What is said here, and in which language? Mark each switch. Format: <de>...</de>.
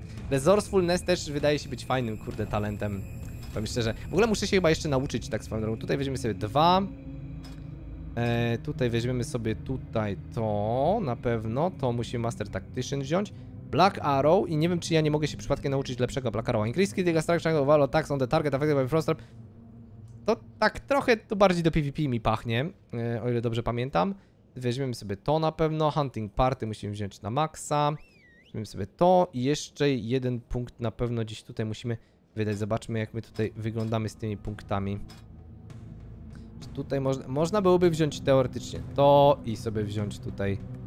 <pl>Resourcefulness też wydaje się być fajnym, kurde, talentem. Powiem szczerze. W ogóle muszę się chyba jeszcze nauczyć, tak swoją drogą. Tutaj weźmiemy sobie 2. Tutaj weźmiemy sobie tutaj to, na pewno. To musimy Master Tactician wziąć. Black Arrow i nie wiem, czy ja nie mogę się przypadkiem nauczyć lepszego Black Arrowa.</pl> <en>Increase critical strike of all attacks on the target affected by frost trap.</en> <pl>To tak trochę to bardziej do PvP mi pachnie, o ile dobrze pamiętam. Weźmiemy sobie to na pewno. Hunting Party musimy wziąć na maksa. Weźmiemy sobie to i jeszcze jeden punkt na pewno gdzieś tutaj musimy wydać. Zobaczmy, jak my tutaj wyglądamy z tymi punktami. Tutaj można byłoby wziąć teoretycznie to i sobie wziąć tutaj</pl>